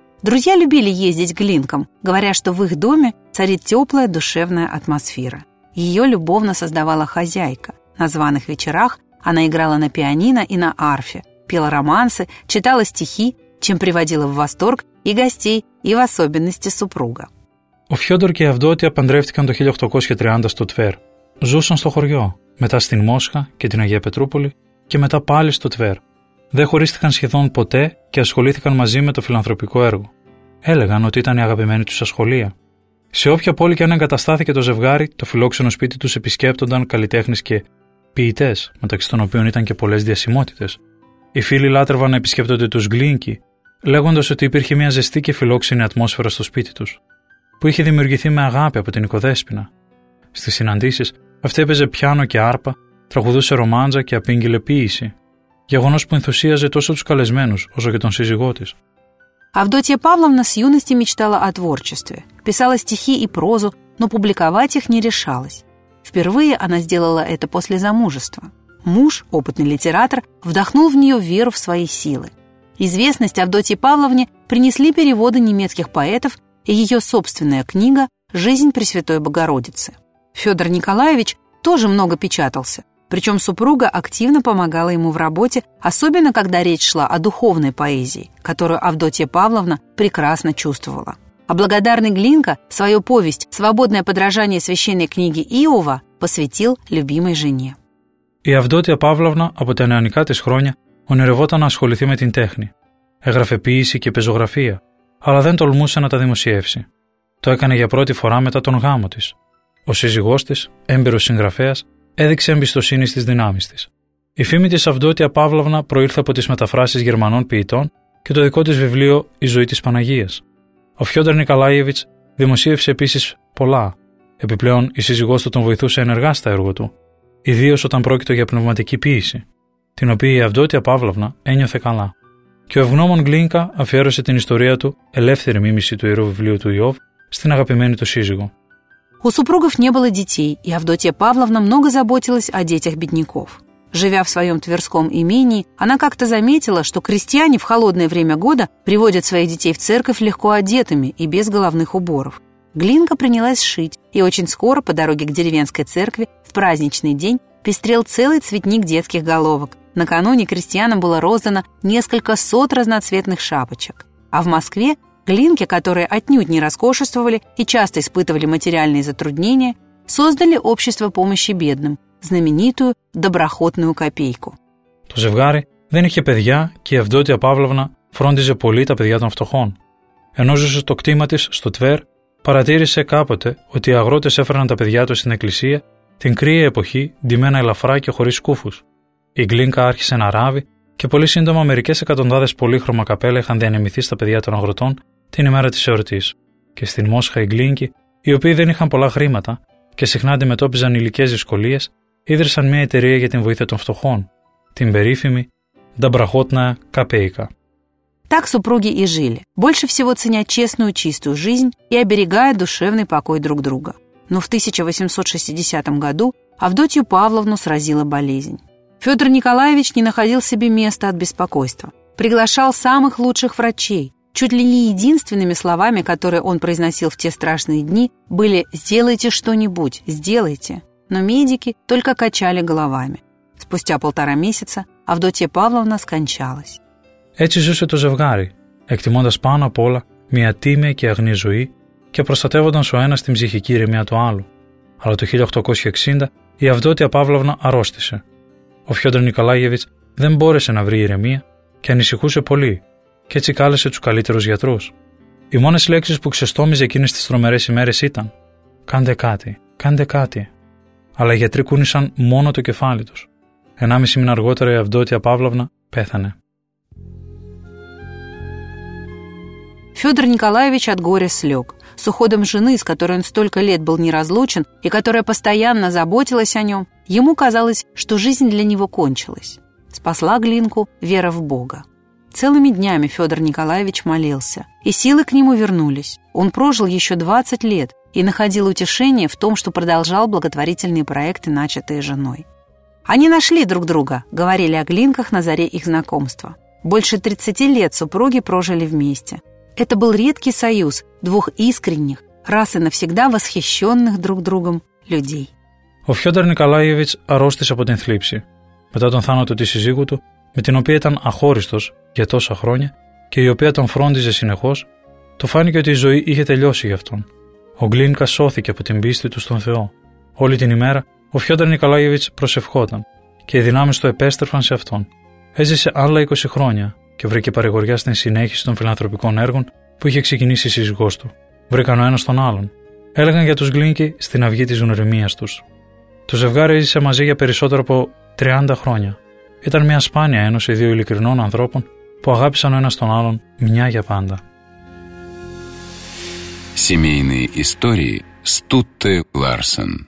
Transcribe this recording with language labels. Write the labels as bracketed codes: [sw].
[ru] Друзья любили ездить к Глинкам, говоря, что в их доме царит теплая душевная атмосфера. Ее любовно создавала хозяйка. На званых вечерах она играла на пианино и на арфе, пела романсы, читала стихи, чем приводила в восторг и гостей, и в особенности супруга. [el] Ο Φιόντορ και η Αυδότια παντρεύτηκαν το 1830 στο Τβέρ. Ζούσαν στο χωριό, μετά στην Μόσχα και την Αγία Πετρούπολη και μετά πάλι στο Τβέρ. Δεν χωρίστηκαν σχεδόν ποτέ και ασχολήθηκαν μαζί με το φιλανθρωπικό έργο. Έλεγαν ότι ήταν η αγαπημένη τους ασχολία. Σε όποια πόλη και αν εγκαταστάθηκε το ζευγάρι, το φιλόξενο σπίτι τους επισκέπτονταν καλλιτέχνες και ποιητές, μεταξύ των οποίων ήταν και πολλές διασημότητες. Οι φίλοι λάτρευαν να επισκέπτονται τους Γκλίνκι, λέγοντας ότι υπήρχε μια ζεστή και φιλόξενη ατμόσφαιρα στο σπίτι τους, που είχε δημιουργηθεί με αγάπη από την οικοδέσποινα. Στις συναντήσεις, αυτή έπαιζε πιάνο και άρπα, τραγουδούσε ρομάντζα και απήγγειλε ποίηση, γεγονός που ενθουσίαζε τόσο τους καλεσμένους όσο και τον σύζυγό της. [ru] Авдотья Павловна с юности мечтала о творчестве, писала стихи и прозу, но публиковать их не решалась. Впервые она сделала это после замужества. Муж, опытный литератор, вдохнул в нее веру в свои силы. Известность Авдотье Павловне принесли переводы немецких поэтов и ее собственная книга «Жизнь Пресвятой Богородицы». Фёдор Николаевич тоже много печатался, причем супруга активно помогала ему в работе, особенно когда речь шла о духовной поэзии, которую Авдотья Павловна прекрасно чувствовала. А благодарный Глинка свою повесть «Свободное подражание священной книги Иова» посвятил любимой жене. И Авдотья Павловна, [el] από τα νεανικά της χρόνια, ονειρευόταν να ασχοληθεί με την τέχνη. Έγραφε ποίηση και πεζογραφία, αλλά δεν τολμούσε να τα δημοσιεύσει. Το έκανε για πρώτη φορά μετά τον γάμο της. Ο σύζυγός της, έμπειρος συγγραφέας, έδειξε εμπιστοσύνη στις δυνάμεις της. Η φήμη της Αυδότη Απάβλαβνα προήλθε από τις μεταφράσεις Γερμανών ποιητών και το δικό της βιβλίο «Η ζωή της Παναγίας». Ο Φιόντορ Νικολάεβιτς δημοσίευσε επίσης πολλά. Επιπλέον, η σύζυγός του τον βοηθούσε ενεργά στα έργα του, ιδίως όταν πρόκειτο για πνευματική ποίηση, την οποία η Αυδότη Απάβλαβνα ένιωθε καλά. Και ο Ευγνώμων Γκλίνκα αφιέρωσε την ιστορία του, ελεύθερη μίμηση του ιερού βιβλίου του Ιώβ, στην αγαπημένη του σύζυγο. [ru] У супругов не было детей, и Авдотья Павловна много заботилась о детях бедняков. Живя в своем Тверском имении, она как-то заметила, что крестьяне в холодное время года приводят своих детей в церковь легко одетыми и без головных уборов. Глинка принялась шить, и очень скоро по дороге к деревенской церкви в праздничный день пестрел целый цветник детских головок. Накануне крестьянам было роздано несколько сот разноцветных шапочек. А в Москве Глинки, которые отнюдь не роскошествовали и часто испытывали материальные затруднения, создали общество помощи бедным, знаменитую доброхотную копейку. [el] Το ζευγάρι δεν είχε παιδιά και η Αυδότια Παύλωνα φρόντιζε πολύ τα παιδιά των φτωχών. Ενώ ζούσε στο κτήμα της στο Τβέρ, παρατήρησε κάποτε ότι οι αγρότες έφεραν τα παιδιά τους στην εκκλησία την κρύα εποχή, ντυμένα ελαφρά και χωρίς σκούφους. Η Γκλίνκα άρχισε να ράβει και πολύ σύντομα μερικές εκατοντάδες πολύχρωμα καπέλα είχαν διανεμηθεί στα παιδιά των αγροτών την ημέρα της εορτής. Και στην Μόσχα οι Γκλίνκοι, οι οποίοι δεν είχαν πολλά χρήματα και συχνά αντιμετώπιζαν υλικές δυσκολίες, ίδρυσαν μια εταιρεία για την βοήθεια των φτωχών, την περίφημη Νταμπραχότνα Καπέικα. [ru] Так супруги и жили, больше всего ценя честную чистую жизнь и оберегая душевный покой друг друга. Но в 1860 году Авдотью Павловну сразила болезнь. Федор Николаевич не находил себе места от беспокойства. Приглашал самых лучших врачей. Чуть ли не единственными словами, которые он произносил в те страшные дни, были «сделайте что-нибудь, сделайте». Но медики только качали головами. Спустя полтора месяца Авдотья Павловна скончалась. [el] Έτσι ζούσε το ζευγάρι, εκτιμώντας πάνω απ' όλα μια τίμια και αγνή ζωή και προστατεύοντας ο ένας την ψυχική ηρεμία του άλλου. Αλλά το 1860 η Αυδότια Παύλωνα αρρώστησε. Ο Φιόντορ Νικολάγεβιτς δεν μπόρεσε να βρει ηρεμία και ανησυχούσε πολύ, και έτσι κάλεσε τους καλύτερους γιατρούς. Οι μόνες λέξεις που ξεστόμιζε εκείνες τις τρομερές ημέρες ήταν «Κάντε κάτι, κάντε κάτι». Αλλά οι γιατροί κούνησαν μόνο το κεφάλι τους. 1,5 μήνα αργότερα η Αυδότια Παύλωνα πέθανε. [ru] Федор Николаевич от горя слег. С уходом жены, с которой он столько лет был неразлучен и которая постоянно заботилась о нем, ему казалось, что жизнь для него кончилась. Спасла Глинку вера в Бога. Целыми днями Федор Николаевич молился, и силы к нему вернулись. Он прожил еще 20 лет и находил утешение в том, что продолжал благотворительные проекты, начатые женой. «Они нашли друг друга», — говорили о Глинках на заре их знакомства. Больше 30 лет супруги прожили вместе. Это был редкий союз двух искренних, раз и навсегда восхищенных друг другом людей. [el] Ο Φιόντορ Νικολάγεβιτς αρρώστησε από την θλίψη. Μετά τον θάνατο της σύζυγου του, με την οποία ήταν αχώριστος για τόσα χρόνια και η οποία τον φρόντιζε συνεχώς, του φάνηκε ότι η ζωή είχε τελειώσει για αυτόν. Ο Γκλίνκα σώθηκε από την πίστη του στον Θεό. Όλη την ημέρα ο Φιόντορ Νικολάγεβιτς προσευχόταν και οι δυνάμεις του επέστρεφαν σε αυτόν. Έζησε άλλα 20 χρόνια και βρήκε παρηγοριά στην συνέχιση των φιλανθρωπικών έργων που είχε ξεκινήσει η σύζυγός του. Βρήκαν ο ένας τον άλλον. Έλεγαν για τους Γκλίνκη στην αυγή της γνωριμίας τους. Το ζευγάρι έζησε μαζί για περισσότερο από 30 χρόνια. Ήταν μια σπάνια ένωση δύο ειλικρινών ανθρώπων που αγάπησαν ο ένας τον άλλον μια για πάντα. [ru] Семейные истории Стутте Ларсен.